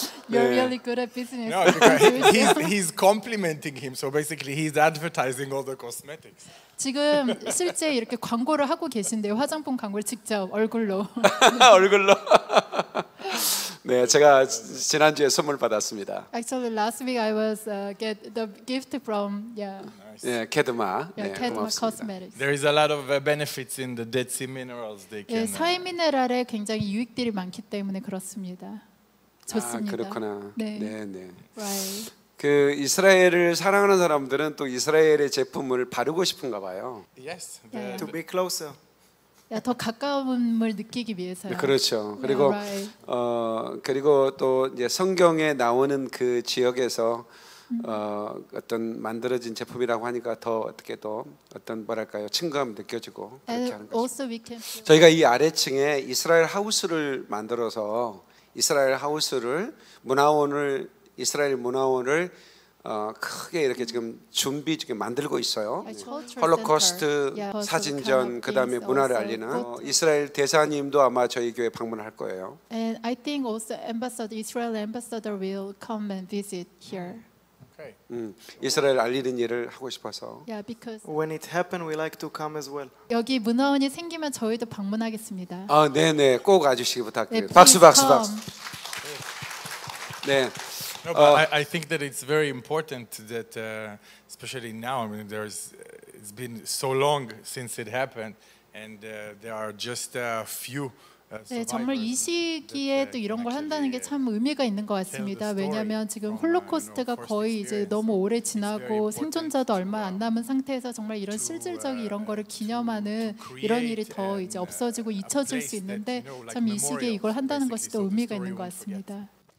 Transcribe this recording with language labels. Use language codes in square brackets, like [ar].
[en] You're really good at business. No, he's complimenting him. So basically, he's advertising all the cosmetics. [ko] 지금 실제 이렇게 광고를 하고 계신데요. 화장품 광고를 직접 얼굴로. 얼굴로. 네, 제가 지난주에 선물 받았습니다. [en] Actually, last week I was get the gift from yeah. [ko] 네, 캐드마. 네, 캐드마 cosmetics. [en] There is a lot of benefits in the dead sea minerals. They can. [ko] 서해 미네랄에 굉장히 유익들이 많기 때문에 그렇습니다. 좋습니다. 아, 그렇구나. 네. 네, 네. [en] Right. [ko] 그 이스라엘을 사랑하는 사람들은 또 이스라엘의 제품을 바르고 싶은가 봐요. [en] Yes. To be closer. [ko] 야, 더 가까움을 느끼기 위해서요. 네, 그렇죠. 그리고 [en] right. [ko] 그리고 또 이제 성경에 나오는 그 지역에서 어떤 만들어진 제품이라고 하니까 더 어떻게 또 어떤 뭐랄까요? 친근함 느껴지고 그렇게 하는 거죠. [en] Also we can feel [ko] 저희가 이 아래층에 이스라엘 하우스를 만들어서 이스라엘 하우스를 문화원을 이스라엘 문화원을 크게 이렇게 지금 준비 중에 만들고 있어요. 홀로코스트 사진전 그다음에 문화를 알리는 이스라엘 대사님도 아마 저희 교회 방문할 거예요. [en] And I think also ambassador Israel ambassador will come and visit here. [ko] 이스라엘 알리는 일을 하고 싶어서. [en] Yeah, because when it happens, we like to come as well. [ko] 여기 문화원이 생기면 저희도 방문하겠습니다. 아, 네, 네, 꼭 와주시기 부탁드립니다. 네, 박수, 박수, 박수, 박수. 네. [en] No, but I think that it's very important that, especially now. I mean, it's been so long since it happened, and there are just a few. [ko] 네, 정말 이 시기에 또 이런 걸 한다는 게 참 의미가 있는 것 같습니다. 왜냐하면 지금 홀로코스트가 거의 이제 너무 오래 지나고 생존자도 얼마 안 남은 상태에서 정말 이런 실질적인 이런 거를 기념하는 이런 일이 더 이제 없어지고 잊혀질 수 있는데 참 이 시기에 이걸 한다는 것이 또 의미가 있는 것 같습니다.